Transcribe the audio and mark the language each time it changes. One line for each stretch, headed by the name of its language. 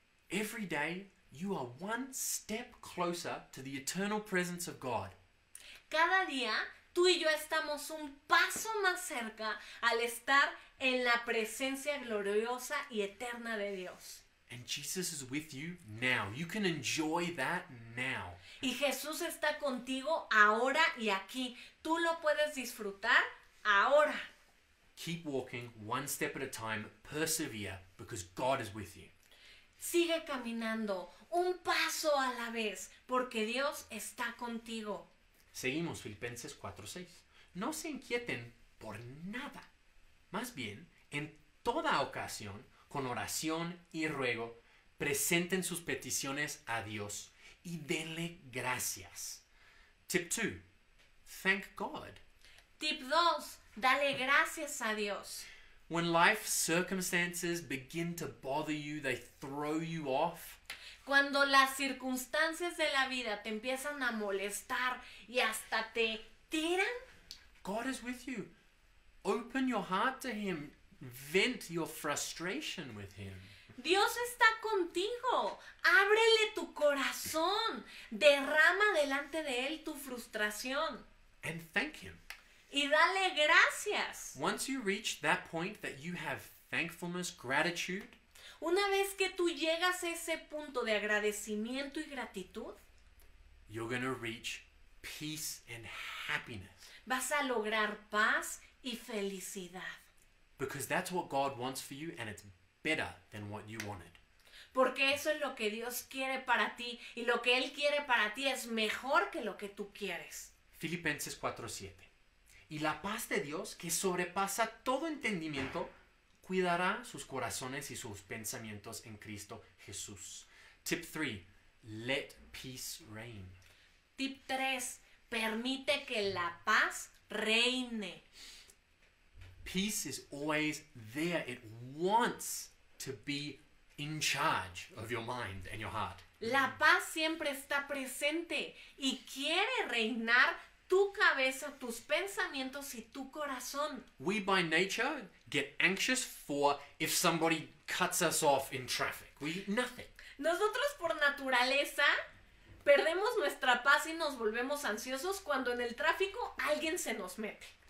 English: Every day, you are one step closer to the eternal presence of God.
Spanish: Cada día, tú y yo estamos un paso más cerca al estar en la presencia gloriosa y eterna de Dios.
English: And Jesus is with you now. You can enjoy that now.
Spanish: Y Jesús está contigo ahora y aquí. Tú lo puedes disfrutar ahora.
English: Keep walking one step at a time. Persevere because God is with you.
Spanish: Sigue caminando un paso a la vez porque Dios está contigo. Seguimos, Filipenses 4:6. No se inquieten por nada. Más bien, en toda ocasión, con oración y ruego, presenten sus peticiones a Dios y denle gracias.
English: Tip 2. Thank God.
Spanish: Tip 2. Dale gracias a Dios.
English: When life circumstances begin to bother you, they throw you off.
Spanish: Cuando las circunstancias de la vida te empiezan a molestar y hasta te tiran.
English: God is with you. Open your heart to Him. Vent your frustration with Him.
Spanish: Dios está contigo. Ábrele tu corazón. Derrama delante de Él tu frustración.
English: And thank Him.
Spanish: Y dale gracias.
English: Once you reach that point that you have thankfulness, gratitude.
Spanish: Una vez que tú llegas a ese punto de agradecimiento y gratitud,
English: you're gonna reach peace and happiness.
Spanish: Vas a lograr paz y felicidad.
English: Because that's what God wants for you, and it's better than what you wanted.
Spanish: Porque eso es lo que Dios quiere para ti, y lo que Él quiere para ti es mejor que lo que tú quieres. Filipenses 4:7. Y la paz de Dios, que sobrepasa todo entendimiento, cuidará sus corazones y sus pensamientos en Cristo Jesús.
English: Tip 3. Let peace reign.
Spanish: Tip 3. Permite que la paz reine.
English: Peace is always there. It wants to be in charge of your mind and your heart.
Spanish: La paz siempre está presente y quiere reinar tu cabeza, tus pensamientos y tu corazón.
English: We by nature get anxious for if somebody cuts us off in traffic. We nothing.
Spanish: Nosotros por naturaleza perdemos nuestra paz y nos volvemos ansiosos cuando en el tráfico alguien se nos mete.